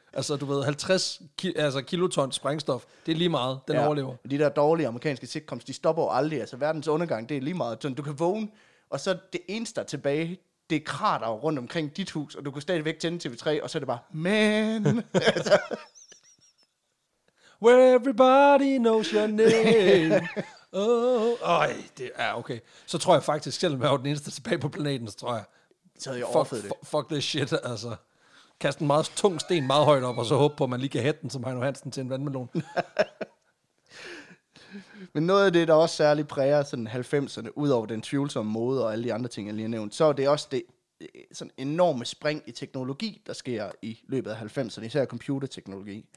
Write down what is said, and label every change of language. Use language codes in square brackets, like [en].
[da] Altså du ved, 50 kiloton sprængstof, det er lige meget, den overlever. De der dårlige amerikanske sitcoms, de stopper jo aldrig. Altså verdens undergang, det er lige meget. Så du kan vågne, og så det eneste der tilbage, det er krater rundt omkring dit hus, og du kan stadigvæk tænde TV3, og så er det bare, man... [en] Where everybody knows your name. [da] Oh, ej, det er okay. Så tror jeg faktisk, selvom jeg var den eneste tilbage på planeten, så tror jeg. Så havde jeg overfødt det. [en] Fuck this shit, altså. [da] Kast en meget tung sten meget højt op, og så håbe på, at man lige kan hætte den som Heino Hansen til en vandmelon. Men noget af det, der også særligt præger sådan 90'erne, ud over den tvivlsomme mode og alle de andre ting, jeg lige har nævnt, så er det også det sådan enorme spring i teknologi, der sker i løbet af 90'erne, især computerteknologi.